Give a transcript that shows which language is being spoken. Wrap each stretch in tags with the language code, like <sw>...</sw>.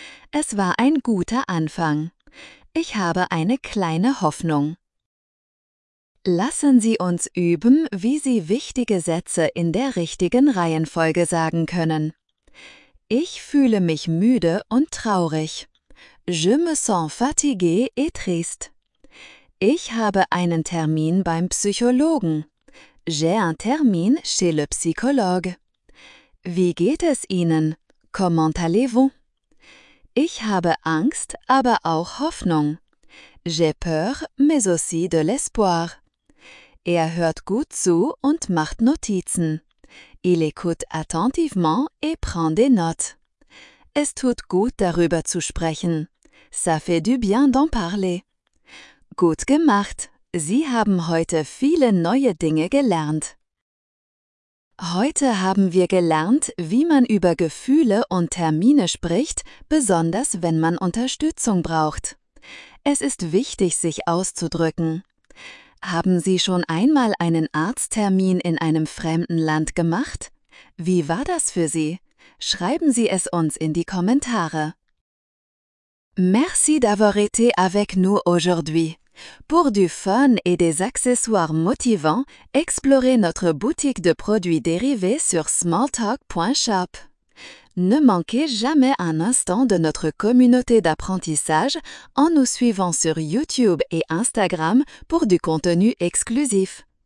<de>Es war ein guter Anfang. Ich habe eine kleine Hoffnung. Lassen Sie uns üben, wie Sie wichtige Sätze in der richtigen Reihenfolge sagen können. Ich fühle mich müde und traurig.</de> <fr>Je me sens fatigué et triste.</fr> <de>Ich habe einen Termin beim Psychologen.</de> <fr>J'ai un termin chez le psychologue.</fr> <de>Wie geht es Ihnen?</de> <fr>Comment allez-vous?</fr> <de>Ich habe Angst, aber auch Hoffnung.</de> <fr>J'ai peur, mais aussi de l'espoir.</fr> <de>Er hört gut zu und macht Notizen.</de> <fr>Il écoute attentivement et prend des notes.</fr> <de>Es tut gut, darüber zu sprechen.</de> <fr>Ça fait du bien d'en parler.</fr> <de>Gut gemacht. Sie haben heute viele neue Dinge gelernt. Heute haben wir gelernt, wie man über Gefühle und Termine spricht, besonders wenn man Unterstützung braucht. Es ist wichtig, sich auszudrücken. Haben Sie schon einmal einen Arzttermin in einem fremden Land gemacht? Wie war das für Sie? Schreiben Sie es uns in die Kommentare.</de> <fr>Merci d'avoir été avec nous aujourd'hui. Pour du fun et des accessoires motivants, explorez notre boutique de produits dérivés sur smalltalk.shop. Ne manquez jamais un instant de notre communauté d'apprentissage en nous suivant sur YouTube et Instagram pour du contenu exclusif.</fr>